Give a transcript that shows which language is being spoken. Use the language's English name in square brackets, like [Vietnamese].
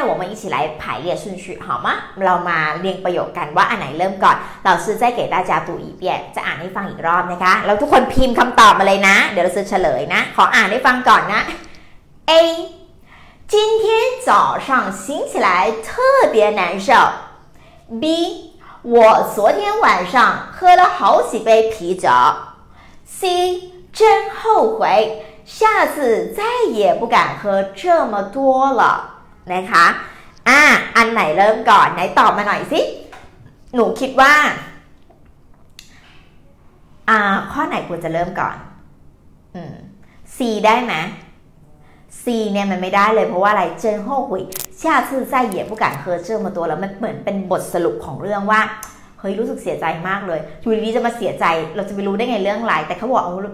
[Chinese] 一起来排列顺序好吗 [Thai] เรามาเรียงประโยคกันว่าอันไหนเริ่มก่อน [Chinese] 老师再给大家读一遍 [Thai] จะอ่านให้ฟังอีกรอบนะคะแล้วทุกคนพิมพ์คำตอบมาเลยนะเดี๋ยวเราจะเฉลยนะขออ่านให้ฟังก่อนนะ [Chinese] A 今天早上醒起来特别难受 B我昨天晚上喝了好几杯啤酒。 C 真后悔，下次再也不敢喝这么多了。 [Thai] นะคะอันไหนเริ่มก่อนไหนตอบมาหน่อยสิหนูคิดว่าข้อไหนควรจะเริ่มก่อน C ได้ไหม C เนี่ยมันไม่ได้เลยเพราะว่าอะไร [Chinese] 真后悔下次再也不敢喝这么多了 [Thai] มันเหมือนเป็นบทสรุปของเรื่องว่าเฮ้ยรู้สึกเสียใจมากเลยอยู่ดีๆจะมาเสียใจเราจะไปรู้ได้ไงเรื่องอะไรแต่เขาบอก